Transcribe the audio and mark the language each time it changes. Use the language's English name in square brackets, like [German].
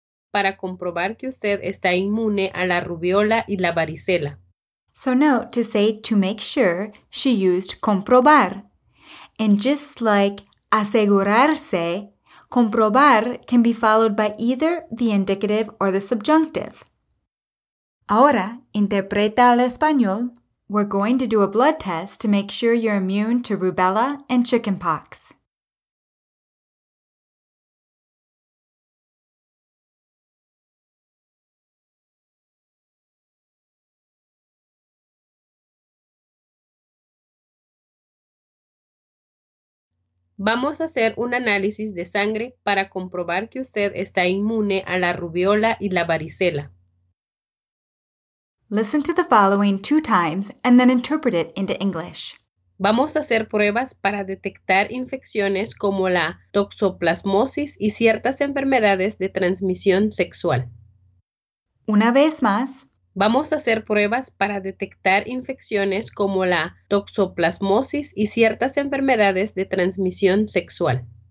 [Spanish] Para comprobar que usted está inmune a la rubiola y la varicela. [English] So note to say to make sure, she used comprobar. And just like asegurarse, comprobar can be followed by either the indicative or the subjunctive. [Spanish] Ahora, interpreta al español. [English] We're going to do a blood test to make sure you're immune to rubella and chickenpox. [Spanish] Vamos a hacer un análisis de sangre para comprobar que usted está inmune a la rubiola y la varicela. [English] Listen to the following two times and then interpret it into English. [Spanish] Vamos a hacer pruebas para detectar infecciones como la toxoplasmosis y ciertas enfermedades de transmisión sexual. Una vez más. Vamos a hacer pruebas para detectar infecciones como la toxoplasmosis y ciertas enfermedades de transmisión sexual.